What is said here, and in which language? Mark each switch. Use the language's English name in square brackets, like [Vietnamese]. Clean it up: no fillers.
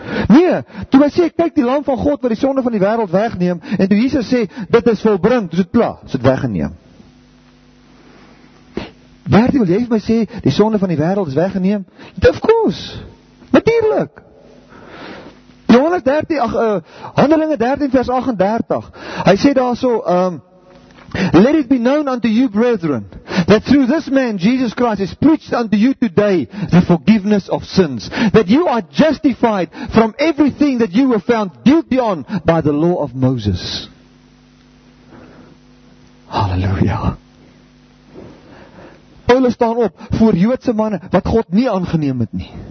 [Afrikaans] Nee, toe hy sê, kyk die land van God wat die sonde van die wereld wegneem, en toe Jesus sê, dit is volbring, toe is het klaar, is het weggeneem. Bertie, wil jy vir my sê, die sonde van die wereld is weggeneem? [English] Of course, natuurlijk. [Afrikaans] Handelinge 13 vers 38, hy sê daar so, [English] let it be known unto you brethren, that through this man Jesus Christ is preached unto you today, the forgiveness of sins, that you are justified from everything that you were found guilty on by the law of Moses. [Afrikaans] Halleluja. Paulus staan op voor Joodse manne wat God nie aangeneem het nie.